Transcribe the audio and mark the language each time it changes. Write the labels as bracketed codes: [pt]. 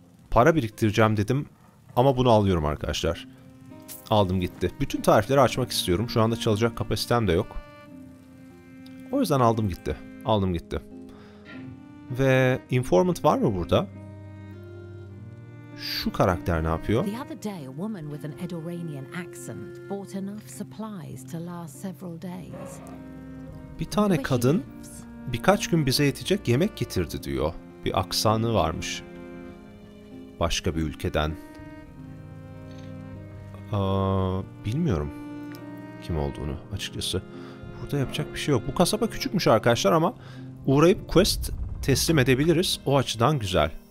[tr] Para biriktireceğim dedim. Ama bunu alıyorum arkadaşlar. Aldım gitti. Bütün tarifleri açmak istiyorum. Şu anda çalacak kapasitem de yok. O yüzden aldım gitti. Aldım gitti. Ve informant var mı burada? Şu karakter ne yapıyor? [en] The other day, a woman with an Edoranian accent bought enough supplies to last several days. [tr] Bir tane kadın birkaç gün bize yetecek yemek getirdi diyor. Bir aksanı varmış. Başka bir ülkeden. Bilmiyorum kim olduğunu açıkçası. Burada yapacak bir şey yok. Bu kasaba küçükmüş arkadaşlar ama uğrayıp quest teslim edebiliriz. O açıdan güzel.